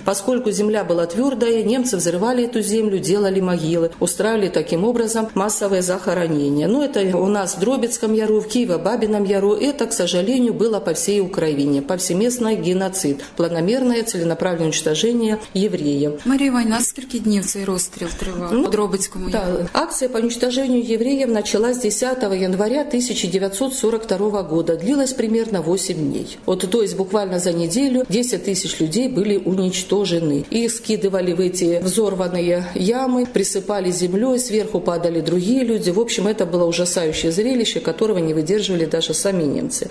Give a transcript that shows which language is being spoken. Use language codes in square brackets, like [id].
[ru] Поскольку земля была твердая, немцы взрывали эту землю, делали могилы, устраивали таким образом массовое захоронение. Но это у нас в Дробицком яру, в Киево-Бабином яру. Это, к сожалению, было по всей Украине. Повсеместный геноцид. Планомерное, целенаправленное уничтожение евреев. [uk] Мария Ивановна, [ru] сколько дней [uk] цей розстріл тривав у Дробицькому яру? [ru] Да. Акция по уничтожению евреев началась 10 января 1942 года. Длилась примерно 8 дней. Вот, то есть буквально за неделю 10 тысяч людей были уничтожены. Их скидывали в эти взорванные ямы, присыпали землей, сверху падали другие люди. В общем, это было ужасающее зрелище, которого не выдерживали даже сами немцы.